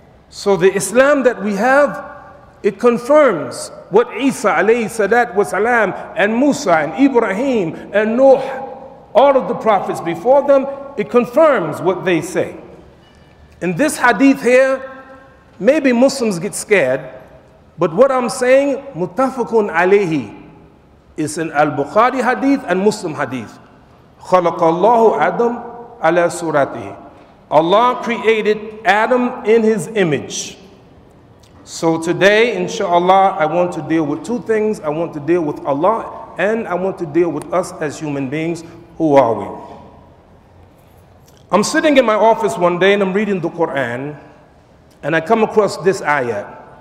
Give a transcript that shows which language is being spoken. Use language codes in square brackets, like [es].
[en] So the Islam that we have, it confirms what Isa alayhi salat wa salam and Musa and Ibrahim and Nuh, all of the prophets before them, it confirms what they say. In this hadith here, maybe Muslims get scared, but what I'm saying, mutafakun alayhi, is an al-Bukhari hadith and Muslim hadith. [ar] خَلَقَ اللَّهُ Adam عَلَى سُورَتِهِ. [en] Allah created Adam in His image. So today, inshallah, I want to deal with two things. I want to deal with Allah and I want to deal with us as human beings. Who are we? I'm sitting in my office one day and I'm reading the Quran, and I come across this ayah.